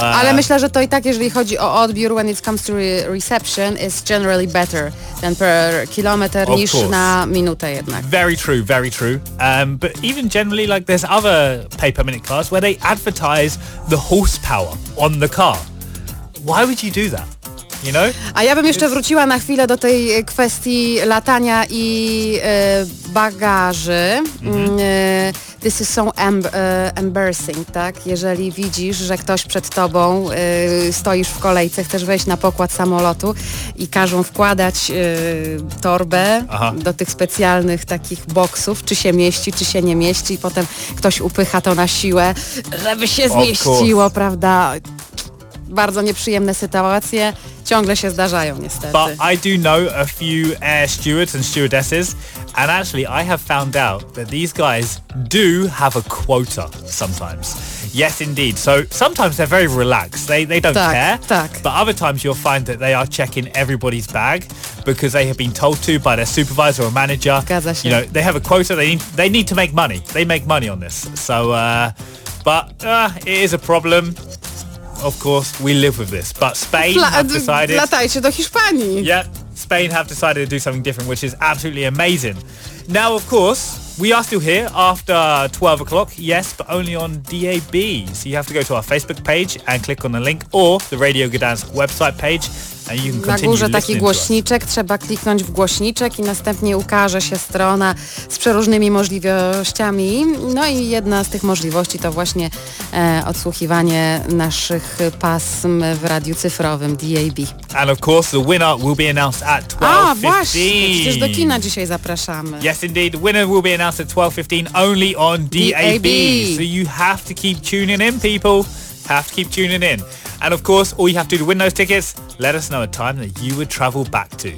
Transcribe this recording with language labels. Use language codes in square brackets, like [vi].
[pl] ale myślę, że to i tak, jeżeli chodzi o odbiór, [en] when it comes to reception, [pl] is generally better than [en] per kilometer [pl] niż [en] course. [pl] Na minutę jednak. [en] Very true, very true. But even generally, like there's other pay-per-minute cars where they advertise the horsepower on the car. Why would you do that? You know? [pl] A ja bym jeszcze wróciła na chwilę do tej kwestii latania i bagaży. Mm-hmm. [en] This is so embarrassing, tak? [pl] Jeżeli widzisz, że ktoś przed tobą, stoisz w kolejce, chcesz wejść na pokład samolotu i każą wkładać torbę Aha. do tych specjalnych takich boksów, czy się mieści, czy się nie mieści i potem ktoś upycha to na siłę, żeby się zmieściło, prawda? Bardzo nieprzyjemne sytuacje. Ciągle się zdarzają, niestety. [en] But I do know a few air stewards and stewardesses, and actually I have found out that these guys do have a quota sometimes. Yes, indeed. So sometimes they're very relaxed. They don't [pl] tak, [en] care. [pl] Tak. [en] But other times you'll find that they are checking everybody's bag because they have been told to by their supervisor or manager. [pl] Zgadza się. [en] You know, they have a quota. They need to make money. They make money on this. So, but it is a problem. Of course, we live with this, but Spain have decided... [pl] Latajcie do Hiszpanii! [en] Yep, Spain have decided to do something different, which is absolutely amazing. Now, of course, we are still here after 12 o'clock, yes, but only on DAB. So you have to go to our Facebook page and click on the link or the Radio Gdańsk website page [pl] Na górze taki głośniczek, trzeba kliknąć w głośniczek i następnie ukaże się strona z przeróżnymi możliwościami. No i jedna z tych możliwości to właśnie odsłuchiwanie naszych pasm w radiu cyfrowym DAB. [en] And of course the winner will be announced at 12:15. [pl] A właśnie, przecież do kina dzisiaj zapraszamy. [en] Yes indeed, the winner will be announced at 12:15 only on DAB. So you have to keep tuning in, people. Have to keep tuning in. And of course, all you have to do to win those tickets, let us know a time that you would travel back to.